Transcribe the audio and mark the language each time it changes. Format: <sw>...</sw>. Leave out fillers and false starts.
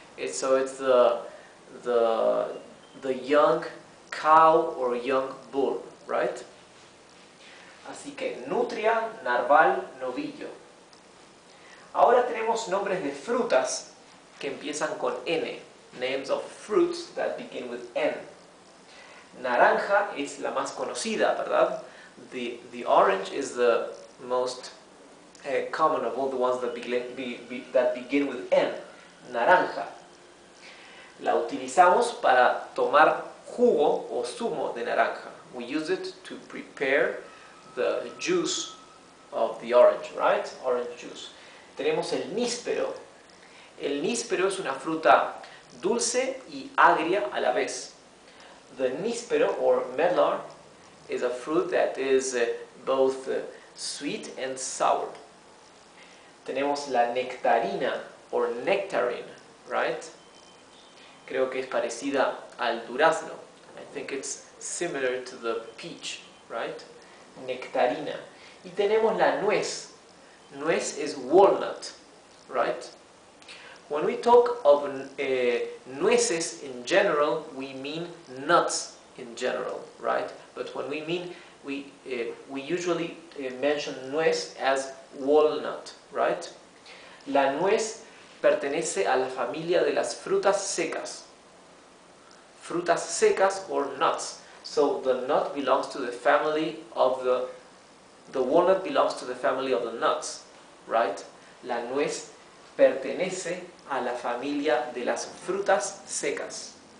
<en>So it's the young cow or young bull, right?</en> <es>Así que nutria, narval, novillo. Ahora tenemos nombres de frutas que empiezan con N.</es> <en>Names of fruits that begin with N.</en> <es>Naranja es la más conocida, ¿verdad?</es> <en>The orange is the most common of all the ones that begin with N. Naranja.</en> <es>La utilizamos para tomar jugo o zumo de naranja.</es> <en>We use it to prepare the juice of the orange, right? Orange juice.</en> <es>Tenemos el níspero. El níspero es una fruta dulce y agria a la vez.</es> <en>The níspero or medlar is a fruit that is both sweet and sour.</en> <es>Tenemos la nectarina</es> <en>or nectarine, right?</en> <es>Creo que es parecida al durazno.</es> <en>I think it's similar to the peach, right?</en> <es>Nectarina. Y tenemos la nuez. Nuez</es> <en>is walnut, right? When we talk of nueces in general, we mean nuts in general, right? But when we mean, we usually mention nuez as walnut, right?</en> <es>La nuez pertenece a la familia de las frutas secas. Frutas secas</es> <en>or nuts. So the nut belongs to the family of the walnut belongs to the family of the nuts, right?</en> <es>La nuez pertenece a la familia de las frutas secas.</es>